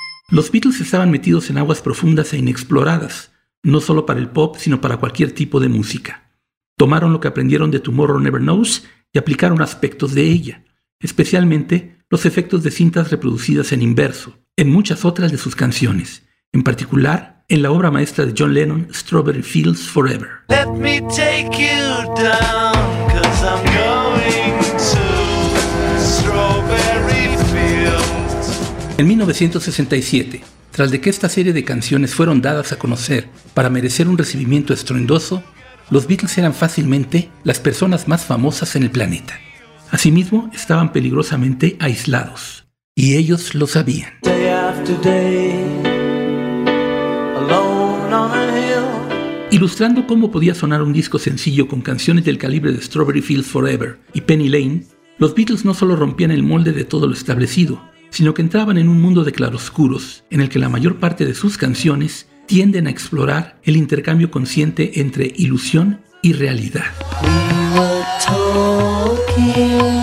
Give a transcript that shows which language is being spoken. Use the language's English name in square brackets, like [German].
[Spanish] Los Beatles estaban metidos en aguas profundas e inexploradas, no solo para el pop, sino para cualquier tipo de música. Tomaron lo que aprendieron de Tomorrow Never Knows y aplicaron aspectos de ella, especialmente los efectos de cintas reproducidas en inverso, en muchas otras de sus canciones, en particular en la obra maestra de John Lennon, Strawberry Fields Forever. [English] Let me take you down, 'cause I'm going to Strawberry. [Spanish] En 1967, tras de que esta serie de canciones fueron dadas a conocer para merecer un recibimiento estruendoso, los Beatles eran fácilmente las personas más famosas en el planeta. Asimismo, estaban peligrosamente aislados, y ellos lo sabían. [English] Day after day, alone on a hill. [Spanish] Ilustrando cómo podía sonar un disco sencillo con canciones del calibre de Strawberry Fields Forever y Penny Lane, los Beatles no solo rompían el molde de todo lo establecido, sino que entraban en un mundo de claroscuros en el que la mayor parte de sus canciones tienden a explorar el intercambio consciente entre ilusión y realidad. [English] We were talking.